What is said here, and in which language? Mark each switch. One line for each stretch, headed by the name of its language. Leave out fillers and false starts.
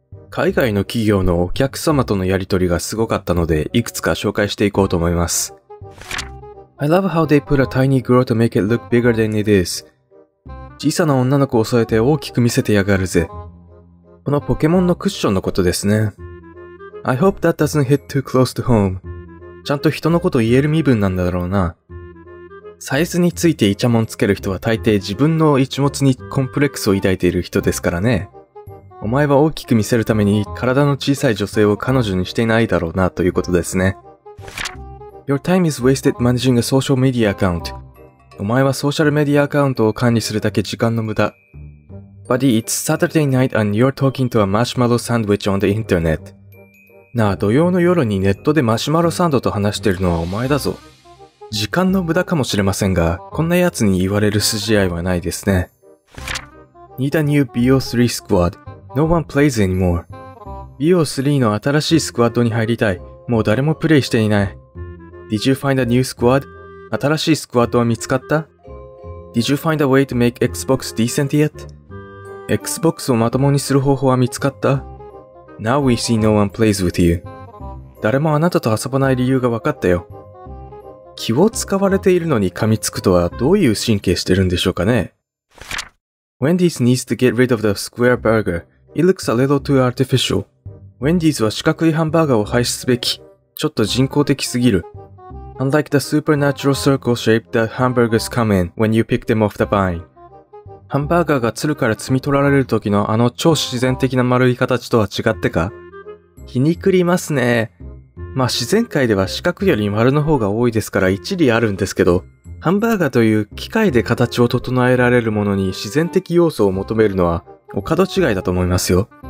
Japanese: 海外の企業のお客様とのやり取りがすごかったので、いくつか紹介していこうと思います。
English: I love how they put a tiny girl to make it look bigger than it is.
Japanese: 小さな女の子を添えて大きく見せてやがるぜ。このポケモンのクッションのことですね。
English: I hope that doesn't hit too close to home.
Japanese: ちゃんと人のこと言える身分なんだろうな。サイズについてイチャモンつける人は大抵自分の一物にコンプレックスを抱いている人ですからね。お前は大きく見せるために体の小さい女性を彼女にしていないだろうなということですね。
English: Your time is wasted managing a social media account.
Japanese: お前はソーシャルメディアアカウントを管理するだけ時間の無駄。
English: Buddy, it's Saturday night and you're talking to a marshmallow sandwich on the internet.
Japanese: なあ、土曜の夜にネットでマシュマロサンドと話してるのはお前だぞ。時間の無駄かもしれませんが、こんな奴に言われる筋合いはないですね。
English: Need a new BO3 squad. No one plays anymore.
Japanese: BO3 の新しいスクワッドに入りたい。もう誰もプレイしていない。
English: Did you find a new squad?
Japanese: 新しいスクワッドは見つかった
English: ?Did you find a way to make Xbox decent yet?
Japanese: Xbox をまともにする方法は見つかった ?
English: Now we see no one plays with you.
Japanese: 誰もあなたと遊ばない理由が分かったよ。気を使われているのに噛みつくとはどういう神経してるんでしょうかね ?
English: Wendy's needs to get rid of the square burger. It looks a little too artificial.
Japanese: Wendy's は四角いハンバーガーを廃止すべき。ちょっと人工的すぎる。
English: Unlike the supernatural circle shape that hamburgers come in when you pick them off the vine.
Japanese: ハンバーガーが鶴から摘み取られる時のあの超自然的な丸い形とは違ってか? 皮肉りますね。まあ自然界では四角より丸の方が多いですから一理あるんですけど、ハンバーガーという機械で形を整えられるものに自然的要素を求めるのはお門違いだと思いますよ。